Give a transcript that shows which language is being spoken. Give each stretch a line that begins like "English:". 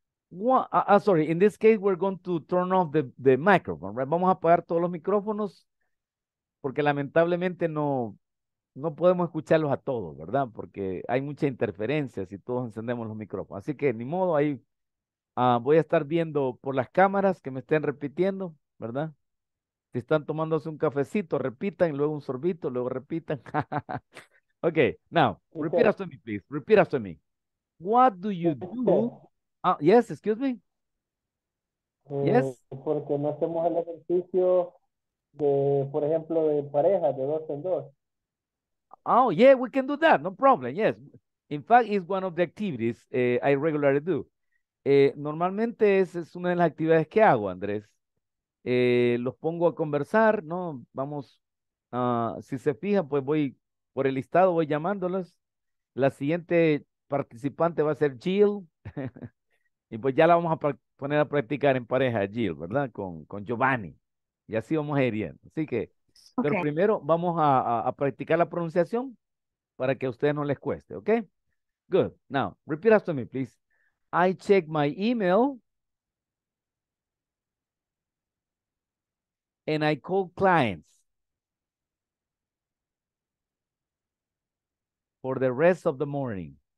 English: In this case, we're going to turn off the microphone, right?
Spanish: Vamos a apagar todos los micrófonos porque lamentablemente no podemos escucharlos a todos, ¿verdad? Porque hay mucha interferencia si todos encendemos los micrófonos. Así que, ni modo, ahí voy a estar viendo por las cámaras que me estén repitiendo, ¿verdad? Si están tomándose un cafecito, repitan, y luego un sorbito, luego repitan.
English: Okay, now, repeat after me, please. Repeat after me. What do you do? Yes, excuse me. Yes.
Spanish: Porque no hacemos el ejercicio de, por ejemplo, de pareja, de dos en dos.
English: Oh, yeah, we can do that. No problem. Yes. In fact, it's one of the activities I regularly do.
Spanish: Normalmente es una de las actividades que hago, Andrés. Los pongo a conversar, ¿no? Vamos, si se fijan, pues voy por el listado, voy llamándolos. La siguiente participante va a ser Jill. Y pues ya la vamos a poner a practicar en pareja, Jill, ¿verdad? Con Giovanni. Y así vamos a ir bien. Así que, okay. Pero primero vamos a practicar la pronunciación para que a ustedes no les cueste, ¿ok?
English: Good. Now, repeat after me, please. I check my email and I call clients for the rest of the morning.